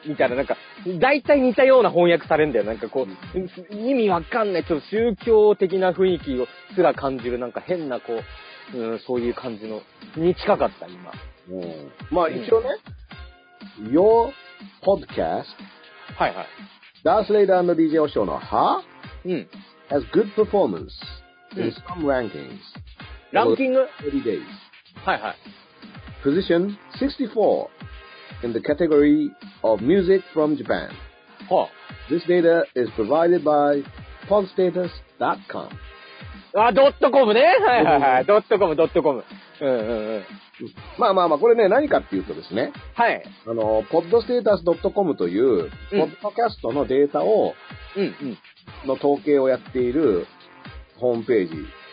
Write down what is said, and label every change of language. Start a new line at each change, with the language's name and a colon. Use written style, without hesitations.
Japanese: みたいな、なんか、大体似たような翻訳されるんだよ。なんかこう、うん、意味わかんない。ちょっと宗教的な雰囲気をすら感じる。なんか変な、こう、うん、そういう感じの、に近かった、今。まあ一応ね、うん、
English: Your podcast.
Japanese: はいはい。
English: Darth Vader and DJ Osho の Huh?
Japanese: うん。
English: Has good performance in some rankings.
Japanese: ランキング
English: 30 days.
Japanese: はいはい。
English: Position 64 in the category of music from Japan.
Japanese: はあ。
English: This data is provided by podstatus.com.
Japanese: あ、ドットコムね。はいはいはい。ドットコム、ドットコム。うんうんうん。まあまあまあ、これね、何かっていうとですね。はい。 podstatus.com という、ポッドキャストのデータを、うん、うん。の統計をやっているホームページ。